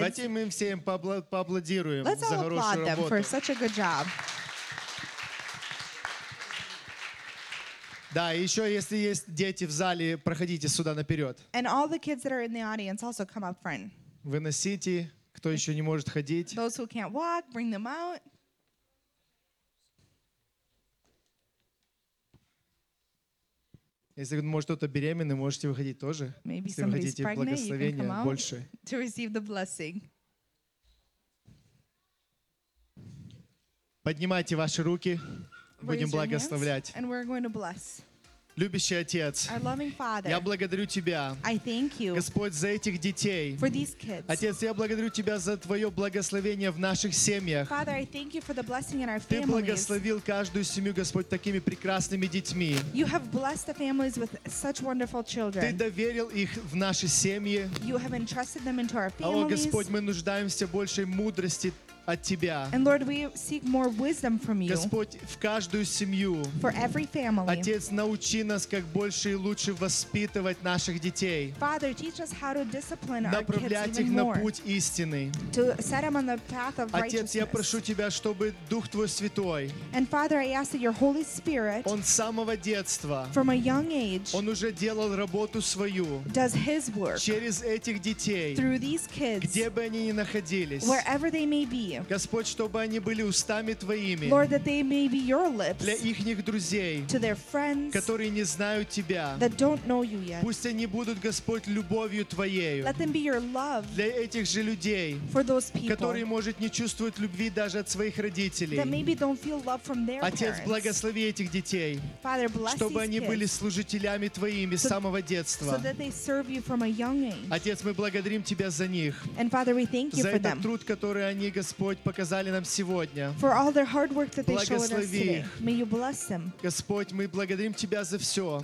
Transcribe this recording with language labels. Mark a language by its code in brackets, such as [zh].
[ru] Давайте мы все им поаплодируем за хорошую работу. [en] Let's all applaud them for such a good job. [ru] Да, еще если есть дети в зале, проходите сюда наперед. [en] And all the kids that are in the audience also come up front. [ru] Выносите Кто еще не может ходить? [en] Those who can't walk, bring them out. [ru] Если, может, кто-то беременный, можете выходить тоже. [en] Maybe [ru] если вы хотите благословения больше. [en] To receive the blessing. [ru] Поднимайте ваши руки. Будем благословлять. [en] And we're going to bless. [ru] Любящий Отец, [en] our loving Father, [ru] я благодарю Тебя, [en] I thank you, [ru] Господь, за этих детей. [en] For these kids. [ru] Отец, я благодарю Тебя за Твое благословение в наших семьях. [en] Father, I thank you for the blessing in our families. [ru] Ты благословил каждую семью, Господь, такими прекрасными детьми. [en] You have blessed the families with such wonderful children. [ru] Ты доверил их в наши семьи. [en] You have entrusted them into our families. [ru] О, Господь, мы нуждаемся в большей мудрости от Тебя. [en] And Lord, we seek more wisdom from you. [ru] Господь, в каждую семью. [en] For every family. [ru] Отец, научи нас, как больше и лучше воспитывать наших детей. [en] Father, teach us how to discipline our kids even [ru] Направлять их на путь истины. [en] To set them on the path of righteousness. [ru] Отец, я прошу Тебя, чтобы Дух Твой Святой. [en] And Father, I ask that your Holy Spirit. [ru] Он с самого детства. [en] From a young age. [ru] Он уже делал работу свою. [en] Does his work. [ru] Через этих детей. [en] Through these kids. [ru] Где бы они ни находились. [en] Wherever they may be. [ru] Господь, чтобы они были устами Твоими [en] Lord, that they may be your lips, [ru] для ихних друзей, [en] to their friends, [ru] которые не знают Тебя. [en] That don't know you yet. [ru] Пусть они будут, Господь, любовью Твоею [en] Let them be your love [ru] для этих же людей, [en] for those people, [ru] которые, может, не чувствуют любви даже от своих родителей. [en] That maybe don't feel love from their [ru] Отец, [en] parents. [ru] Благослови этих детей, [en] Father, bless [ru] чтобы [en] these [ru] они [en] kids, [ru] были служителями Твоими с so, самого детства. [en] So that they serve you from a young age. [ru] Отец, мы благодарим Тебя за них, [en] And Father, we thank you [ru] за [en] for [ru] этот [en] them. [ru] Труд, который они, Господь, Господь, показали нам сегодня. [en] For all their hard work that they showed us today. May you bless them. [ru] Господь, мы благодарим Тебя за все.